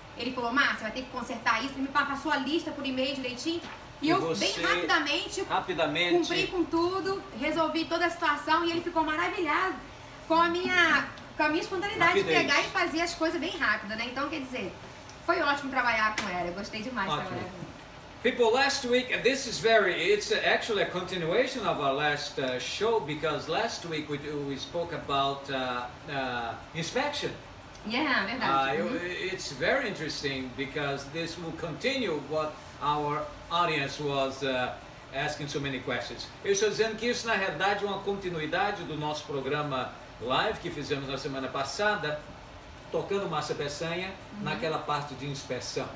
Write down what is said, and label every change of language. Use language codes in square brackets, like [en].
[pt] Ele falou, Márcia, vai ter que consertar isso. Ele me passou a lista por e-mail direitinho. E eu, você, bem rapidamente, cumpri com tudo, resolvi toda a situação. E ele ficou maravilhado com a minha espontaneidade de pegar e fazer as coisas bem rápido, né? Então, quer dizer... Foi ótimo trabalhar com ela. Eu gostei demais de trabalhar com ela. [en] People, last week, this is very, it's actually a continuation of our last show, because last week we spoke about inspection. [pt] Yeah, verdade. [en] It's very interesting, because this will continue what our audience was asking so many questions. [pt] Eu estou dizendo que isso, na realidade, é uma continuidade do nosso programa live que fizemos na semana passada, tocando MarciaPessanha naquela parte de inspeção.